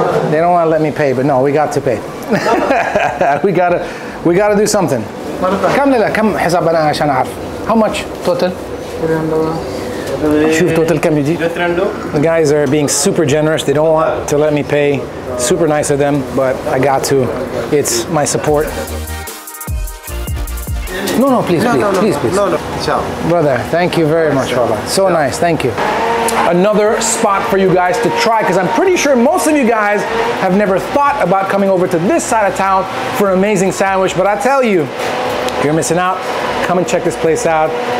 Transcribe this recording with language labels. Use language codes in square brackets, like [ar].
[en] They don't want to let me pay, but no, we got to pay. we gotta do something. [ar] كم لا كم حساب أنا عشان أعرف. [en] How much total? 300. [ar] شوف total كم يجي. [en] 300. The guys are being super generous. They don't want to let me pay. Super nice of them, but I got to. It's my support. No, please. Ciao. Brother, thank you very much, brother. So Ciao. Nice, thank you. Another spot for you guys to try, because I'm pretty sure most of you guys have never thought about coming over to this side of town for an amazing sandwich, but I tell you, if you're missing out, come and check this place out.